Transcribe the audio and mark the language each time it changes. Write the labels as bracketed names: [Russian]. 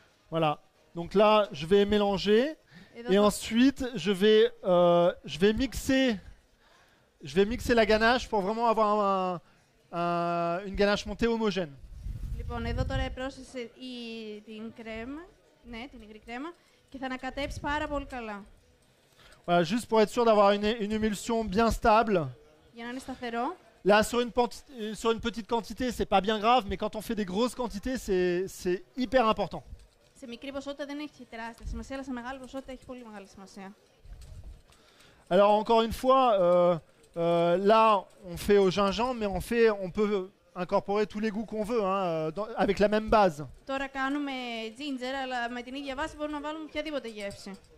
[French] Voilà, donc là je vais mélanger et ensuite je vais mixer la ganache pour vraiment avoir une ganache montée homogène. [Greek] Λοιπόν, εδώ τώρα πρόσθεσε την κρέμα, ναι, την υγρή κρέμα και θα ανακατέψει πάρα πολύ καλά. [French] Voilà, juste pour être sûr d'avoir une émulsion bien stable. [Greek] Για να είναι σταθερό. [French] Là, sur une petite quantité, c'est pas bien grave, mais quand on fait des grosses quantités, c'est hyper important. [Greek] Σε μικρή ποσότητα δεν έχει τεράστια σημασία, αλλά σε μεγάλη ποσότητα έχει πολύ μεγάλη σημασία. [French] Alors, encore une fois, là, on fait au gingembre, mais on peut... incorporer tous les goûts qu'on veut, hein, avec la même base. [Greek] Τώρα κάνουμε ginger, αλλά με την ίδια βάση μπορούμε να βάλουμε οποιαδήποτε γεύση.